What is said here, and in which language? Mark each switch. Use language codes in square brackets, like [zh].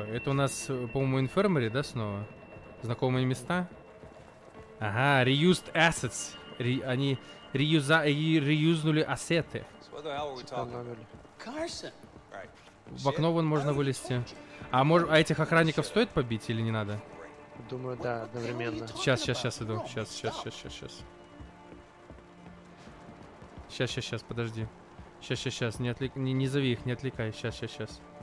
[ru] Это у нас, по-моему, инфермери, да, снова? Знакомые места? [en] Ага, reused assets. [ru] Они реюзнули ассеты. [en] What the hell were we talking about? Carson. Right. [ru] В окно вон можно вылезти. А может, а этих охранников стоит побить или не надо? Думаю, да, одновременно. Сейчас, подожди. Не зови их, не отвлекай. Сейчас.